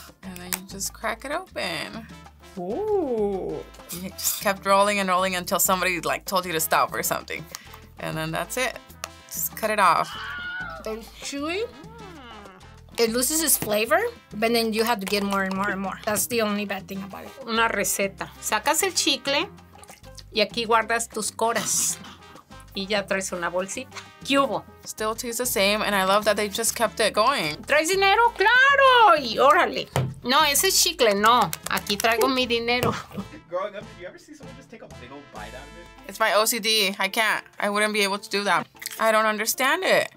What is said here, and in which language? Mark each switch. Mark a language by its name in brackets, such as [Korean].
[English] And then you just crack it open. Ooh. You just kept rolling and rolling until somebody like told you to stop or something. And then that's it. Just cut it off. They're chewy. It loses its flavor, but then you have to get more and more and more. That's the only bad thing about it. [Spanish] Una receta. Sacas el chicle y aquí guardas tus coras. Y ya traes una bolsita. ¿Qué hubo? [English] Still tastes the same, and I love that they just kept it going. [Spanish] ¿Traes dinero? ¡Claro! Y órale. No, ese es chicle, no. Aquí traigo mi dinero. [English] Growing up, did you ever see someone just take a big old bite out of it? It's my OCD. I can't. I wouldn't be able to do that. I don't understand it.